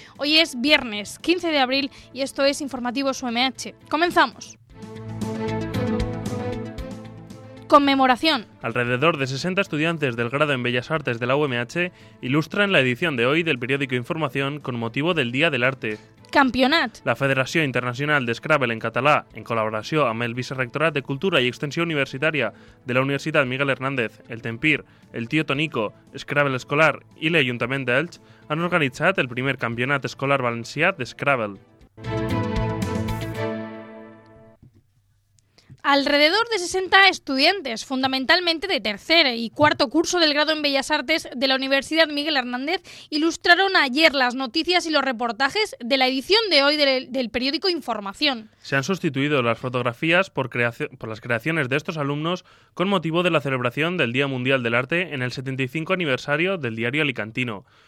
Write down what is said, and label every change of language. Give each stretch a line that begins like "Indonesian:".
Spanish: Hoy es viernes 15 de abril y esto es Informativos UMH. Comenzamos. Conmemoración. Alrededor de 60 estudiantes del grado en Bellas Artes de la UMH ilustran la edición de hoy del periódico Información con motivo del Día del Arte.
Catalan: Campionat. La Federació Internacional de Scrabble en català, en col·laboració amb el Vicerrectorat de Cultura i Extensió Universitària de la Universitat Miguel Hernández, el Tempir, el Tío Tonico, Scrabble Escolar i l'Ajuntament d'Elx, han organitzat el primer Campionat Escolar Valencià de Scrabble.
Spanish: Alrededor de 60 estudiantes, fundamentalmente de tercer y cuarto curso del grado en Bellas Artes de la Universidad Miguel Hernández, ilustraron ayer las noticias y los reportajes de la edición de hoy del periódico Información. Se han sustituido las fotografías por las creaciones de estos alumnos con motivo de la celebración del Día Mundial del Arte en el 75 aniversario del diario alicantino.